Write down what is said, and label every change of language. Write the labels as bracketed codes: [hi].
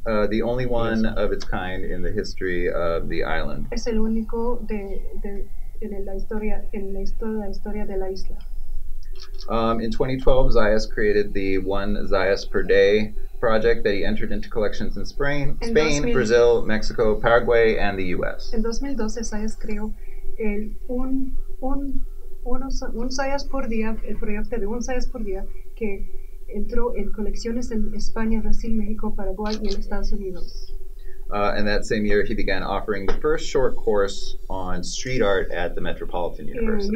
[en] The only one of its kind in the history of the island. [es] Es el único en la historia de la isla. [en] In 2012, Zayas created the One Zayas Per Day project that he entered into collections in Spain, Brazil, Mexico, Paraguay, and the U.S. [es] En 2012, Zayas creó el un Zayas por día, el proyecto de un Zayas por día que entró en colecciones en España, Brasil, México, Paraguay, y en Estados Unidos. [en] And that same year, he began offering the first short course on street art at the Metropolitan University.